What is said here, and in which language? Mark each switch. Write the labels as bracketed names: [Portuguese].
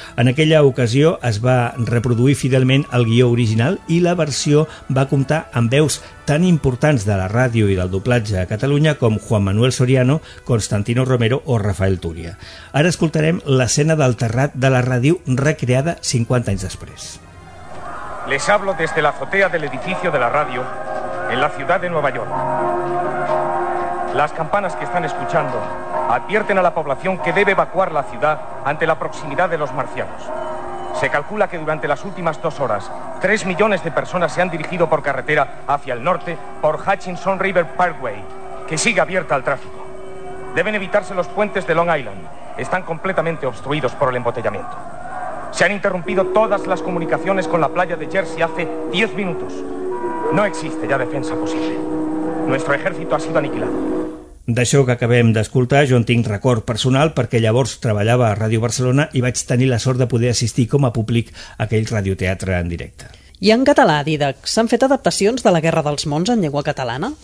[Catalan] En aquella ocasió es va reproduir fidelment el guió original i la versió va comptar amb veus tan importants de la ràdio i del doblatge a Catalunya com Juan Manuel Soriano, Constantino Romero o Rafael Túria. Ara escoltarem l'escena del terrat de la ràdio recreada 50 anys després. [Spanish] Les hablo desde la azotea del edificio de la ràdio en la ciudad de Nueva York. Las campanas que están escuchando advierten a la población que debe evacuar la ciudad ante la proximidad de los marcianos. Se calcula que durante las últimas 2 horas, 3 millones de personas se han dirigido por carretera hacia el norte por Hutchinson River Parkway, que sigue abierta al tráfico. Deben evitarse los puentes de Long Island. Están completamente obstruidos por el embotellamiento. Se han interrumpido todas las comunicaciones con la playa de Jersey hace 10 minutos. No existe ya defensa posible. Nuestro ejército ha sido aniquilado. [Catalan] D'això que acabem d'escoltar, jo en tinc record personal perquè llavors treballava a Ràdio Barcelona i vaig tenir la sort de poder assistir com a públic a aquell radioteatre en directe. I en català, Didac, s'han fet adaptacions de la Guerra dels Mons en llengua catalana?